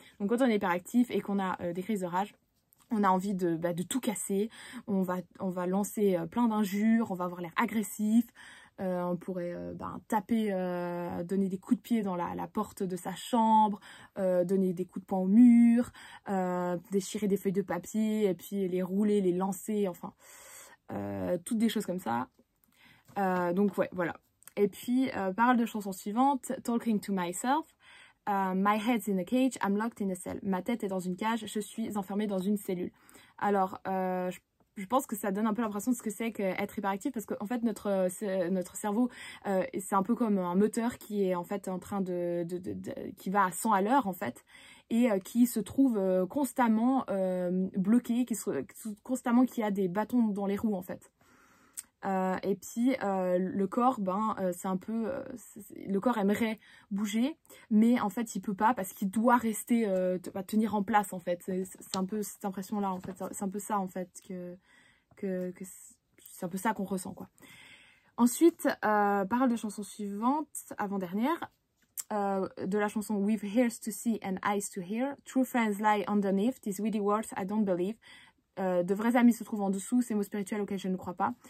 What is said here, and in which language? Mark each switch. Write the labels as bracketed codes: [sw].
[fr] Donc quand on est hyperactif et qu'on a des crises de rage, on a envie de, bah, de tout casser, on va lancer plein d'injures, on va avoir l'air agressif, on pourrait bah, taper, donner des coups de pied dans la porte de sa chambre, donner des coups de poing au mur, déchirer des feuilles de papier et puis les rouler, les lancer, enfin. Toutes des choses comme ça. Donc ouais, voilà. Et puis, parole de chanson suivante, Talking to Myself. [en] My head's in a cage, I'm locked in a cell. [fr] Ma tête est dans une cage, je suis enfermée dans une cellule. Alors, je pense que ça donne un peu l'impression de ce que c'est qu'être hyperactif, parce qu'en fait, notre cerveau, c'est un peu comme un moteur qui est en fait en train qui va à 100 à l'heure, en fait. Et qui se trouve constamment bloqué, constamment qui a des bâtons dans les roues en fait. Et puis le corps, ben, c'est un peu, le corps aimerait bouger, mais en fait il peut pas parce qu'il doit rester, tenir en place en fait. C'est un peu cette impression-là en fait, c'est un peu ça en fait que c'est un peu ça qu'on ressent quoi. Ensuite, parole de chanson suivante, avant-dernière. De la chanson We've Ears to See and Eyes to Hear. [en] True friends lie underneath these witty words I don't believe. [fr] De vrais amis se trouvent en dessous ces mots spirituels auxquels je ne crois pas.